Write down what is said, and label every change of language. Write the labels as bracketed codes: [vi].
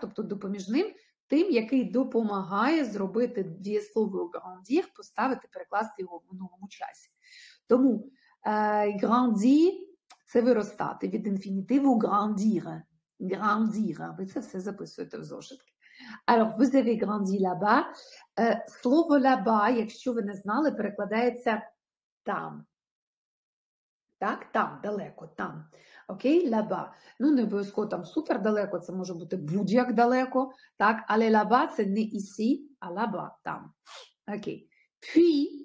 [uk] Тобто допоміжним тим, який допомагає зробити дієслово «grandir», поставити, перекласти його в минулому часі. Тому «grandir» – це виростати від інфінітиву «grandir». «Grandir» – ви це все записуєте в зошитки. [fr] Alors, vous avez grandi là-bas. [uk] Слово «là-bas», якщо ви не знали, перекладається «там». Так, там, далеко, там. Окей, лаба. Ну, не обов'язково там супер далеко, це може бути будь-як далеко. Так, але лаба це не ісі, а лаба там. Окей. Пі.